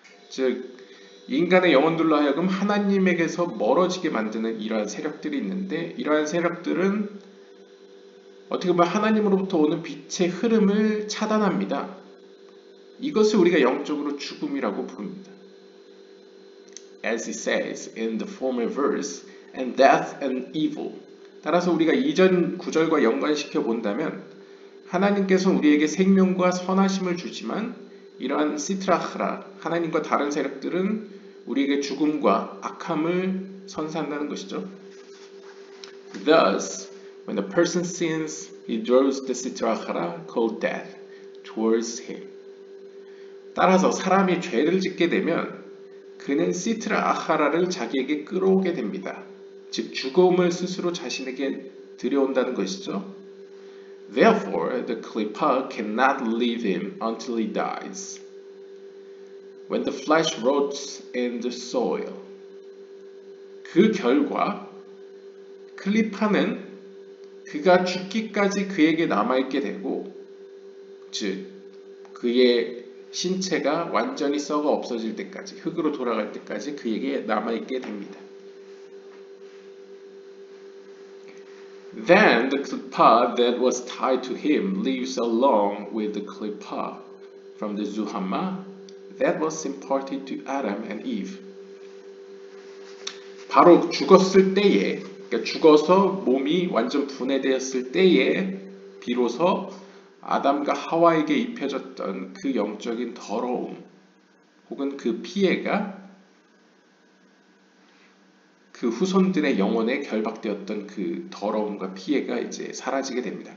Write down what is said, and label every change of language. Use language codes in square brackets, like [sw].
[ko] 즉 인간의 영혼들로 하여금 하나님에게서 멀어지게 만드는 이러한 세력들이 있는데 이러한 세력들은 어떻게 보면 하나님으로부터 오는 빛의 흐름을 차단합니다. 이것을 우리가 영적으로 죽음이라고 부릅니다. [en] As it says in the former verse, and death and evil. [ko] 따라서 우리가 이전 구절과 연관시켜 본다면 하나님께서 우리에게 생명과 선하심을 주지만 이러한 시트라흐라, 하나님과 다른 세력들은 우리에게 죽음과 악함을 선사한다는 것이죠. [en] Thus, when a person sins, he draws the sitrahara called death towards him. [ko] 따라서 사람이 죄를 짓게 되면 그는 sitrahara를 자기에게 끌어오게 됩니다. 즉 죽음을 스스로 자신에게 들여온다는 것이죠. [en] Therefore, the klipa cannot leave him until he dies. When the flesh rots in the soil. [ko] 그 결과 클리파는 그가 죽기까지 그에게 남아있게 되고 즉 그의 신체가 완전히 썩어 없어질 때까지 흙으로 돌아갈 때까지 그에게 남아있게 됩니다. [en] Then the klipa that was tied to him leaves along with the klipa from the zuhama that was imparted to Adam and Eve. [ko] 바로 죽었을 때에, 그러니까 죽어서 몸이 완전 분해되었을 때에 비로소 아담과 하와에게 입혀졌던 그 영적인 더러움 혹은 그 피해가 그 후손들의 영혼에 결박되었던 그 더러움과 피해가 이제 사라지게 됩니다.